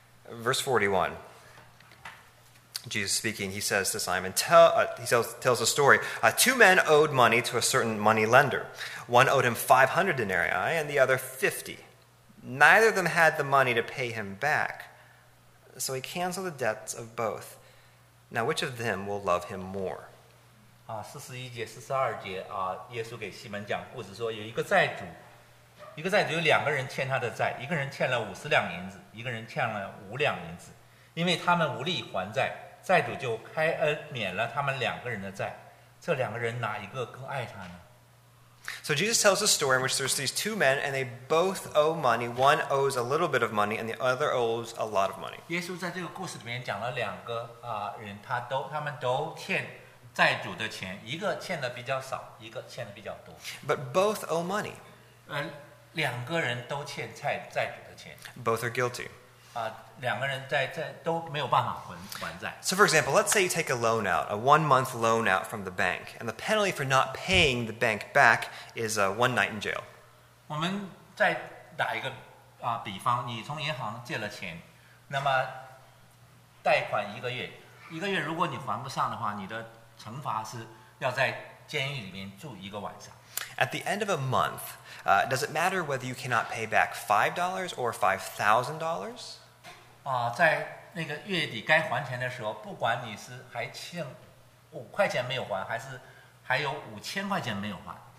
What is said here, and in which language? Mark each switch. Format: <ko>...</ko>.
<en>Verse 41. Jesus speaking, he says to Simon, tells a story. Two men owed money to a certain money lender. One owed him 500 denarii, and the other 50. Neither of them had the money to pay him back, so he canceled the debts of both. Now, which of them will love him more?</en> <zh>啊，四十一节、四十二节啊，耶稣给西门讲故事说，有一个债主有两个人欠他的债，一个人欠了50两银子，一个人欠了5两银子，因为他们无力还债，债主就开恩免了他们两个人的债。这两个人哪一个更爱他呢？</zh> <en>So Jesus tells a story in which there's these two men, and they both owe money. One owes a little bit of money, and the other owes a lot of money.</en> <zh>耶稣在这个故事里面讲了两个啊人，他们都欠债主的钱，一个欠的比较少，一个欠的比较多。</zh> <en>But both owe money.</en> <zh>两个人都欠债主的钱。</zh> <en>Both are guilty.</en> <zh>啊，两个人在都没有办法还债。</zh> <en>So for example, let's say you take a loan out, a 1 month loan out from the bank, and the penalty for not paying the bank back is one night in jail.</en> <zh>我们再打一个啊比方，你从银行借了钱，那么贷款一个月，如果你还不上的话，你的惩罚是要在监狱里面住一个晚上。</zh> <en>At the end of a month, does it matter whether you cannot pay back $5 or $5,000?</en> <zh>啊，在那个月底该还钱的时候，不管你是还欠5块钱没有还，还是还有5000块钱没有还。</zh>